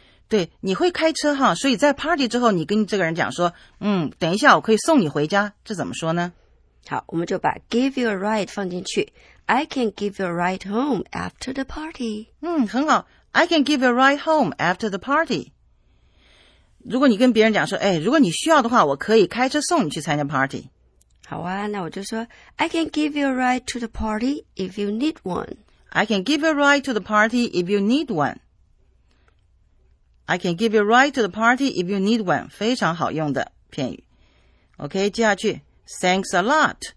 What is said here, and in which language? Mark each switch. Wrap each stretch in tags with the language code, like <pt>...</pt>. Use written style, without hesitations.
<zh>对，你会开车哈，所以在 party 之后，你跟这个人讲说，嗯，等一下我可以送你回家，这怎么说呢？好，我们就把</zh> <en>give you a ride</en> <zh>放进去。</zh> <en>I can give you a ride home after the party.</en> <zh>嗯，很好。</zh> <en>I can give you a ride home after the party.</en> <zh>如果你跟别人讲说，哎，如果你需要的话，我可以开车送你去参加 party。好啊，那我就说</zh> <en>，I can give you a ride to the party if you need one. I can give you a ride to the party if you need one. I can give you a ride to the party if you need one.</en> <zh>非常好用的片语。OK， 接下去 ，</zh> <en>Thanks a lot.</en>